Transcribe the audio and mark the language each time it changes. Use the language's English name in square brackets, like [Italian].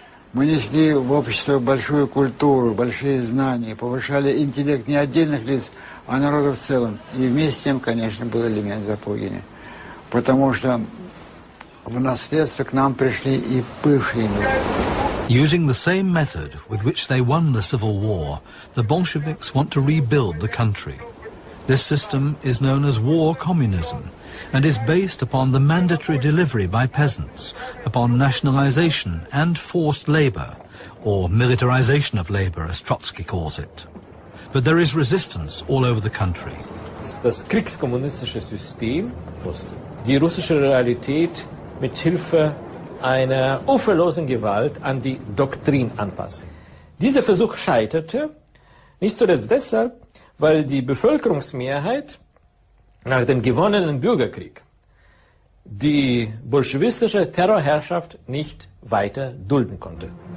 [Russian] Мы несли в общество большую культуру, большие знания, повышали интеллект не отдельных лиц, а народа в целом. И вместе с тем, конечно, был элемент запугивания. Потому что в наследство к нам пришли и бывшие люди. [English] Using the same method with which they won the civil war, the Bolsheviks want to rebuild the country. This system is known as war communism and is based upon the mandatory delivery by peasants, upon nationalization and forced labor, or militarization of labor, as Trotsky calls it. But there is resistance all over the country. [German] Das kriegskommunistische System, die russische Realität mit Hilfe einer uferlosen Gewalt an die Doktrin anpassen. Dieser Versuch scheiterte, nicht zuletzt deshalb, weil die Bevölkerungsmehrheit nach dem gewonnenen Bürgerkrieg die bolschewistische Terrorherrschaft nicht weiter dulden konnte.